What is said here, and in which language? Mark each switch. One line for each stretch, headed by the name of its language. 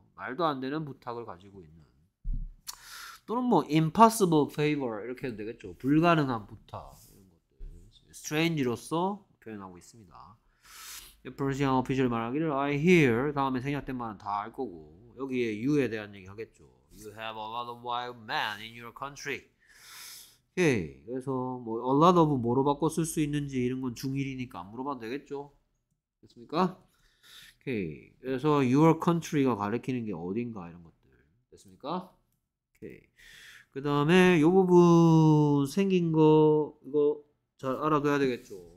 Korean: 말도 안 되는 부탁을 가지고 있는. 또는 뭐
English: impossible favor
Korean: 이렇게 해도 되겠죠. 불가능한 부탁 이런 것들. strange로서 표현하고 있습니다. 프로시안 오피셜 말하기를
English: I hear
Korean: 다음에 생략된 말은 다 알 거고 여기에 you에 대한 얘기 하겠죠.
English: You have a lot of wild men in your country.
Korean: 오케이. 그래서 뭐 a lot of 뭐로 바꿔 쓸 수 있는지 이런 건 중1이니까 안 물어봐도 되겠죠. 됐습니까? 오케이. 그래서
English: your country
Korean: 가 가리키는 게 어딘가 이런 것들. 됐습니까? 오케이. 그 다음에 이 부분 생긴 거 이거 잘 알아둬야 되겠죠.